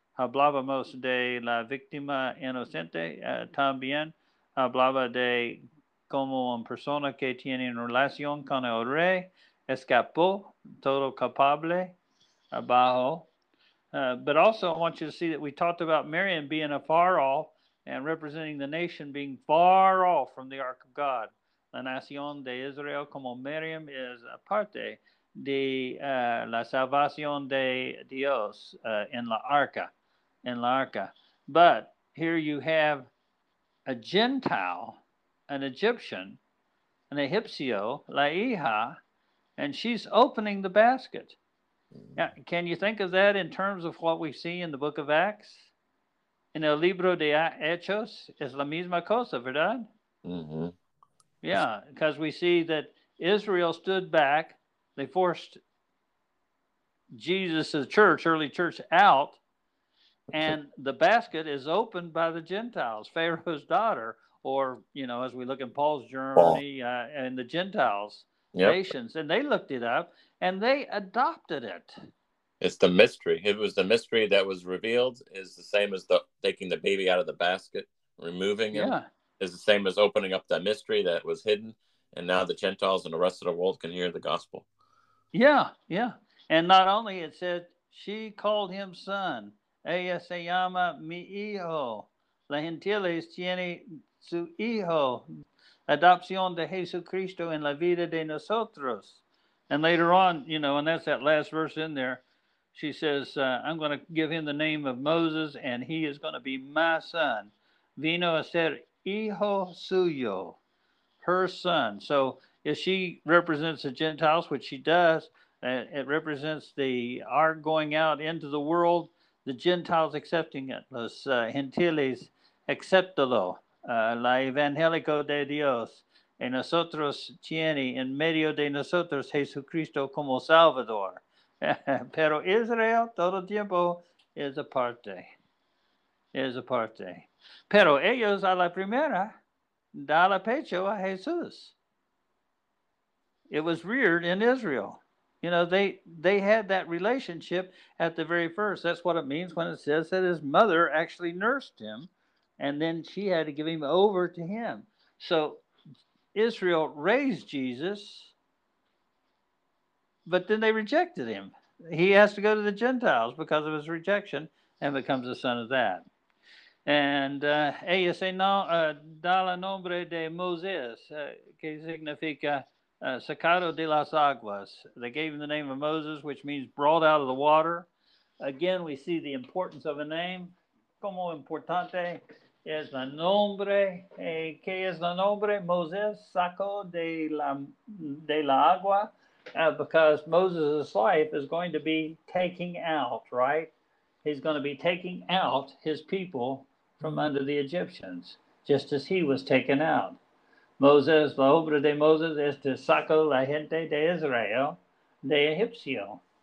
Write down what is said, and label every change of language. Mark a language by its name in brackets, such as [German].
[Spanish] Hablábamos de la víctima inocente también. Hablaba de cómo una persona que tiene una relación con el rey escapó, todo culpable, abajo. [English] But also I want you to see that we talked about Miriam being afar off and representing the nation being far off from the Ark of God. [Spanish] La nación de Israel como Miriam es aparte de la salvación de Dios en la arca. [English] But here you have a Gentile, an Egyptian, [Spanish] an Egipcio, la hija, [English] and she's opening the basket. Now, can you think of that in terms of what we see in the book of Acts? [Spanish] In el libro de Hechos es la misma cosa, ¿verdad? Mm-hmm. [English] Yeah, because we see that Israel stood back. They forced Jesus, the church, early church, out. And the basket is opened by the Gentiles, Pharaoh's daughter. Or, you know, as we look in Paul's journey, and the Gentiles, nations. And they looked it up, and they adopted it. It's the mystery. It was the mystery that was revealed. Is the same as the taking the baby out of the basket, removing it. Is the same as opening up that mystery that was hidden. And now the Gentiles and the rest of the world can hear the gospel. Yeah, yeah. And not only it said, she called him son. [Spanish] Ella se llama mi hijo. La gentiles tiene su hijo. Adopción de Jesucristo en la vida de nosotros. [English] And later on, you know, and that's that last verse in there. She says, I'm going to give him the name of Moses, and he is going to be my son. [Spanish] Vino a ser hijo suyo. [English] Her son. So if she represents the Gentiles, which she does, it represents the our going out into the world, the Gentiles accepting it. [Spanish] Los gentiles acceptalo. La evangelico de Dios. Y nosotros tiene en medio de nosotros Jesucristo como Salvador. Pero Israel todo tiempo es aparte. Es aparte. Pero ellos a la primera da la pecho a Jesús. [English] It was reared in Israel. You know, they had that relationship at the very first. That's what it means when it says that his mother actually nursed him, and then she had to give him over to him. So Israel raised Jesus, but then they rejected him. He has to go to the Gentiles because of his rejection and becomes the son of that. [Spanish] And ella se no, da la nombre de Moses, que significa sacado de las aguas. [English] They gave him the name of Moses, which means brought out of the water. Again, we see the importance of a name. [Spanish] Como importante es la nombre. Que es la nombre? Moses sacó de la agua. [English] Because Moses' life is going to be taking out, right? He's going to be taking out his people from under the Egyptians, just as he was taken out. [Spanish] Moses, la obra de Moses es to saco la gente de Israel de Egipcio.